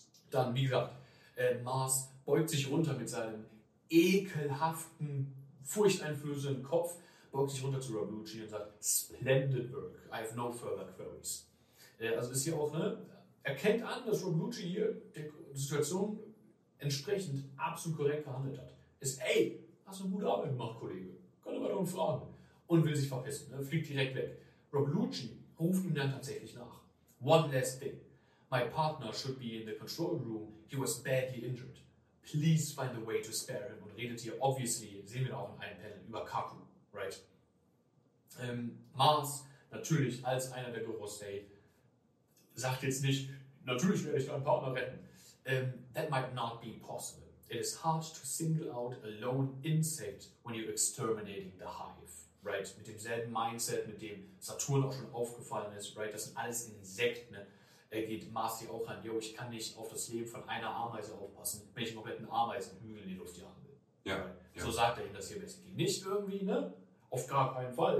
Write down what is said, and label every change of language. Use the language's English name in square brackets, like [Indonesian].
[German] Dann, wie gesagt, Mars beugt sich runter mit seinem ekelhaften, furchteinflößenden Kopf, beugt sich runter zu Ramucci und sagt, [English] splendid work, I have no further queries. [German] Also ist hier auch, ne, erkennt an, dass Ramucci hier der Situation entsprechend absolut korrekt verhandelt hat. Ist, ey, hast du eine gute Arbeit gemacht, Kollege? Kann aber darum fragen. Und will sich verpissen, ne, fliegt direkt weg. Ramucci ruft ihm dann tatsächlich nach. [English] One last thing. My partner should be in the control room. He was badly injured. Please find a way to spare him. [German] Und redet hier, obviously, sehen wir auch in einem Panel, über Kaku. [English] Right. [German] Mars, natürlich, als einer der Gorosei, sagt jetzt nicht, natürlich werde ich deinen Partner retten. [English] That might not be possible. It is hard to single out a lone insect when you're exterminating the hive. Right. [German] Mit demselben Mindset, mit dem Saturn auch schon aufgefallen ist. Right. Das sind alles Insekten. Ne? Er geht Mars hier auch an, yo, ich kann nicht auf das Leben von einer Ameise aufpassen, wenn ich einen kompletten Ameisenhügel in die Luft jagen will. Ja. So sagt er ihm das hier basically nicht irgendwie, ne? Auf gar keinen Fall.